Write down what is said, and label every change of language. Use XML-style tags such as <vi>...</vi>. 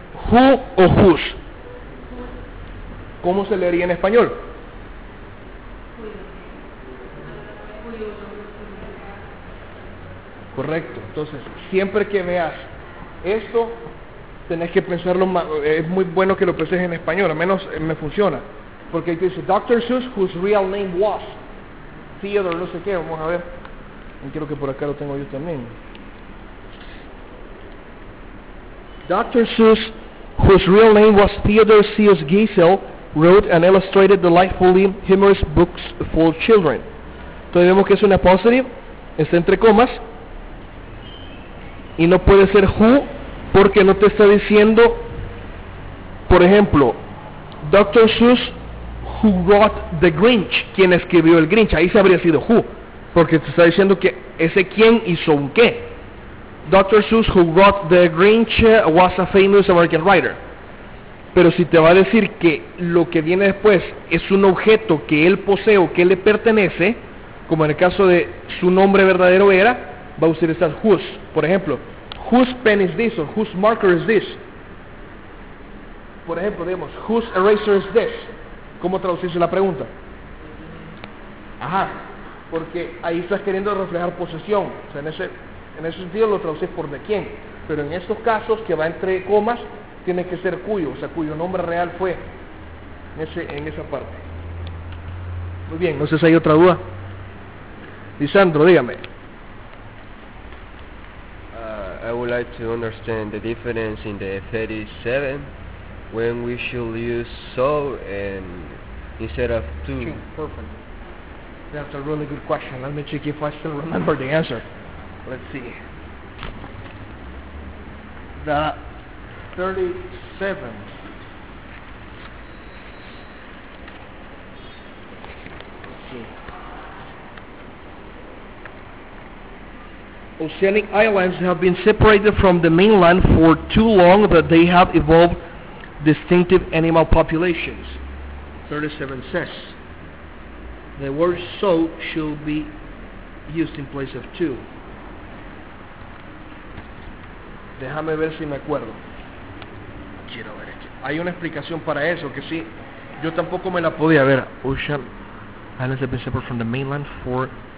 <es>¿Who o whose? ¿Cómo se leería en español? Correcto. Entonces, siempre que veas esto, tenés que pensarlo más. Es muy bueno que lo pienses en español, al menos me funciona. Porque ahí te dice, Dr.</es> <en>Seuss, whose real name was Theodore,</en> <es>no sé qué. Vamos a ver. Creo que por acá lo tengo yo también.</es> <en>Dr. Seuss, whose real name was Theodore Seuss Geisel, wrote and illustrated delightfully humorous books for children.</en> <es>Entonces vemos que es una positive, está entre comas, y no puede ser who, porque no te está diciendo, por ejemplo, Dr. Seuss,</es> <en>who wrote the Grinch,</en> <es>quien escribió el Grinch, ahí se habría sido who, porque te está diciendo que ese quien hizo un qué.</es> <en>Dr. Seuss, who wrote the Grinch, was a famous American writer.</en> <es>Pero si te va a decir que lo que viene después es un objeto que él posee o que le pertenece, como en el caso de su nombre verdadero era, va a utilizar whose.</es> <en>Por ejemplo, whose pen is this, or whose marker is this.</en> <es>Por ejemplo, digamos,</es> <en>whose eraser is this.</en> <es>¿Cómo traducirse la pregunta? Ajá, porque ahí estás queriendo reflejar posesión. O sea, en ese sentido lo traduces por de quién. Pero en estos casos, que va entre comas, tiene que ser cuyo, o sea, cuyo nombre real fue en esa parte. Muy bien, no sé si hay otra duda. Lisandro, dígame.</es> <en>I would like to understand the difference in the 37 when we should use so and instead of to. Perfect. That's a really good question. Let me check if I still remember the answer. Let's see. The 37. Oceanic islands have been separated from the mainland for too long that they have evolved distinctive animal populations. 37 says the word so should be used in place of to.</en> <es>Déjame ver si me acuerdo. Quiero ver esto. Hay una explicación para eso, que sí, yo tampoco me la podía ver.</es> <en>Ocean islands have been separated from the mainland for.</en>